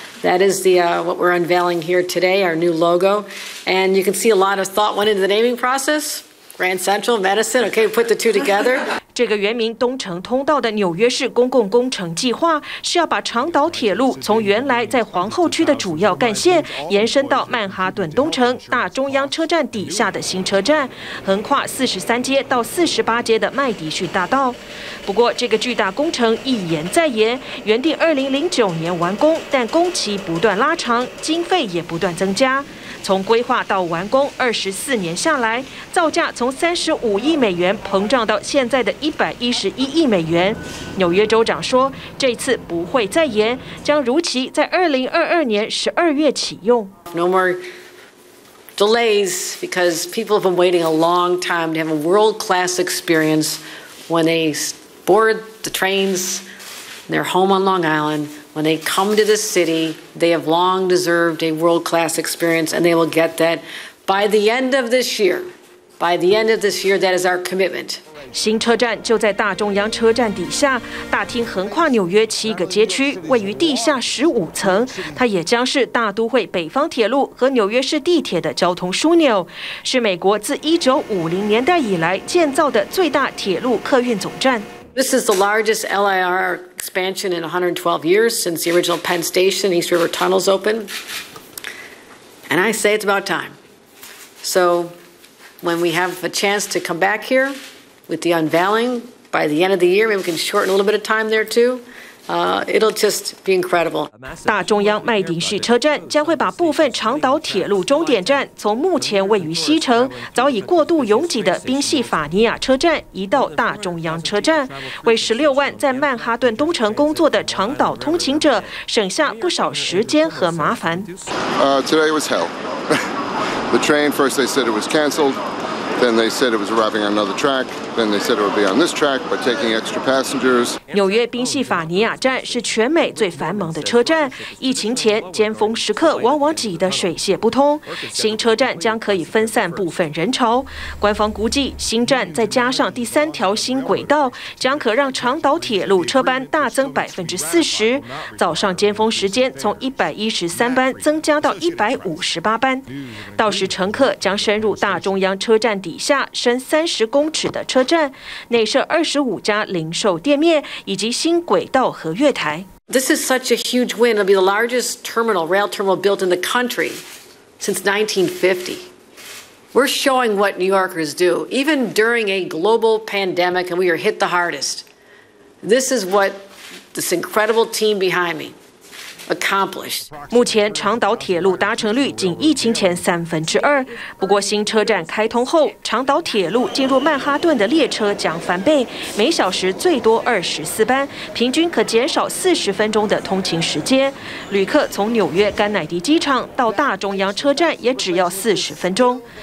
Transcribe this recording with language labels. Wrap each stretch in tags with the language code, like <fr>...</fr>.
<en>That is the what we're unveiling here today, our new logo. And you can see a lot of thought went into the naming process. Grand Central Madison. Okay, put the two together.</en> <zh>这个原名东城通道的纽约市公共工程计划是要把长岛铁路从原来在皇后区的主要干线延伸到曼哈顿东城大中央车站底下的新车站，横跨43街到48街的麦迪逊大道。不过这个巨大工程一延再延，原定2009年完工，但工期不断拉长，经费也不断增加。从规划到完工24年下来，造价从$35亿膨胀到现在的$111亿。纽约州长说，这次不会再延，将如期在2022年12月启用。</zh> <en>No more delays because people have been waiting a long time to have a world-class experience when they board the trains, their home on Long Island. When they come to this city, they have long deserved a world-class experience, and they will get that by the end of this year. By the end of this year, that is our commitment.</en> <zh>新车站就在大中央车站底下，大厅横跨纽约7个街区，位于地下15层。它也将是大都会北方铁路和纽约市地铁的交通枢纽，是美国自1950年代以来建造的最大铁路客运总站。</zh> <en>This is the largest LIR expansion in 112 years since the original Penn Station East River tunnels opened. And I say it's about time. So when we have a chance to come back here with the unveiling by the end of the year, maybe we can shorten a little bit of time there too. It'll just be incredible.</en> <zh>大中央麦迪逊车站将会把部分长岛铁路终点站从目前位于西城、早已过度拥挤的宾夕法尼亚车站移到大中央车站，为160,000在曼哈顿东城工作的长岛通勤者省下不少时间和麻烦。</zh> <en>Today was hell. The train first they said it was canceled. Then they said it was arriving on another track. Then they said it would be on this track, but taking extra passengers.</en> <zh>纽约宾夕法尼亚站是全美最繁忙的车站。疫情前尖峰时刻，往往挤得水泄不通。新车站将可以分散部分人潮。官方估计，新站再加上第三条新轨道，将可让长岛铁路车班大增40%。早上尖峰时间从113班增加到158班。到时乘客将深入大中央车站底下深30公尺的车站，内设25家零售店面以及新轨道和月台。</zh> <en>This is such a huge win. It'll be the largest terminal, rail terminal built in the country since 1950. We're showing what New Yorkers do, even during a global pandemic, and we are hit the hardest. This is what this incredible team behind me.</en> <zh>目前长岛铁路搭乘率仅疫情前2/3，不过新车站开通后，长岛铁路进入曼哈顿的列车将翻倍，每小时最多24班，平均可减少40分钟的通勤时间。旅客从纽约甘乃迪机场到大中央车站也只要40分钟。</zh>